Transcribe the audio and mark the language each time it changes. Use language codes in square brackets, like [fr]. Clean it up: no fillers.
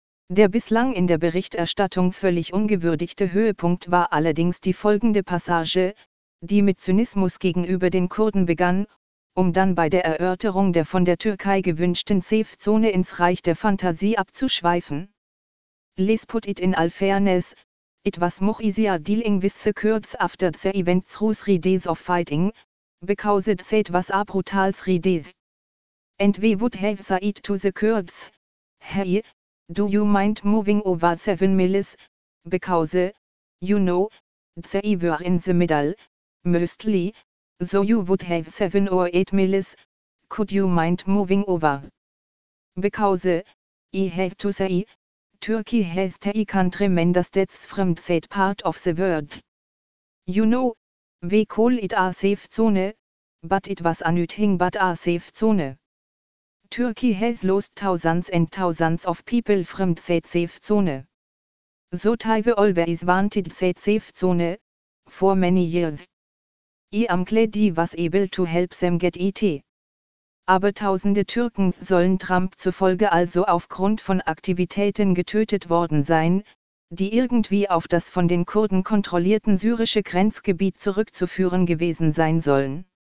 [de] Der bislang in der Berichterstattung völlig ungewürdigte Höhepunkt war allerdings die folgende Passage, die mit Zynismus gegenüber den Kurden begann, um dann bei der Erörterung der von der Türkei gewünschten Safe-Zone ins Reich der Fantasie abzuschweifen. [en] Let's put it in all fairness, it was much easier dealing with the Kurds after the event through 3 days of fighting, because it was a brutal 3 days. And we would have said to the Kurds, hey, do you mind moving over 7 miles, because, you know, they were in the middle, mostly, so you would have 7 or 8 miles, could you mind moving over? Because, I have to say, Turkey has taken tremendous deaths from that part of the world. You know, we call it a safe zone, but it was anything but a safe zone. Turkey has lost thousands and thousands of people from that safe zone. So I've always wanted that safe zone, for many years. I am glad I was able to help them get it. [de] Aber tausende Türken sollen Trump zufolge also aufgrund von Aktivitäten getötet worden sein, die irgendwie auf das von den Kurden kontrollierten syrische Grenzgebiet zurückzuführen gewesen sein sollen.